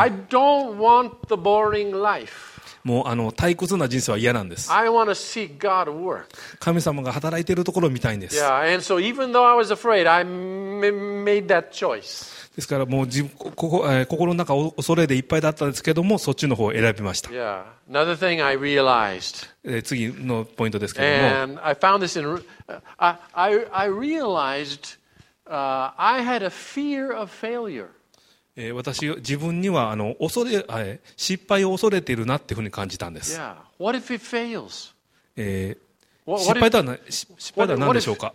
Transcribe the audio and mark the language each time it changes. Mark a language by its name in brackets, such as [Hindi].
[English] I don't want the boring life. [Japanese] もう退屈な人生は嫌なんです。 [English] I want to see God work. [Japanese] 神様が働いているところを見たいんです。 [English] Yeah, and so even though I was afraid, I made that choice. [Japanese] ですからもう心の中恐れでいっぱいだったんですけども、そっちの方を選びました。 [English] Yeah. Another thing I realized. [Japanese] 次のポイントですけども [English] 、And I found this in, I realized, I had a fear of failure. [Japanese] 私自分には失敗を恐れているなっていうふうに感じたんです。 [English] Yeah. What if it fails? [Japanese] 失敗とは何でしょうか。